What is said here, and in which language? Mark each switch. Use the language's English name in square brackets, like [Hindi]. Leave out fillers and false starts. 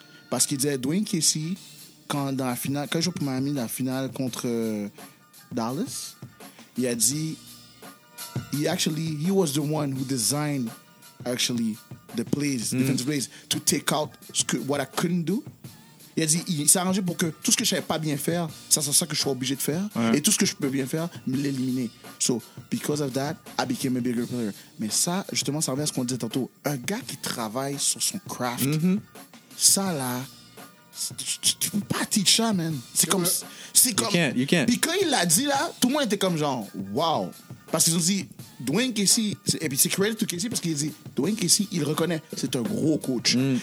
[French] Parce qu'il disait, Dwayne Casey... Quand, dans la finale, quand je joue pour Miami dans la finale contre Dallas, il a dit, [English] he was the one who designed actually the plays, defensive plays, to take out what I couldn't do. [French] Il a dit, il s'est arrangé pour que tout ce que je ne savais pas bien faire, ça soit ça que je sois obligé de faire, ouais. Et tout ce que je peux bien faire, me l'éliminer. [English] So, because of that, I became a bigger player. [French] Mais ça, justement, ça revient à ce qu'on disait tantôt. Un gars qui travaille sur son craft, ça là, tu peux pas teach ça, man. C'est comme. [English] You can't. [French] Puis quand il l'a dit là, tout le monde était comme genre, wow. Parce qu'ils ont dit, Dwayne Casey, et puis c'est [English] credit to Casey [French] parce qu'il dit, Dwayne Casey, il reconnaît, c'est un gros coach. Mm.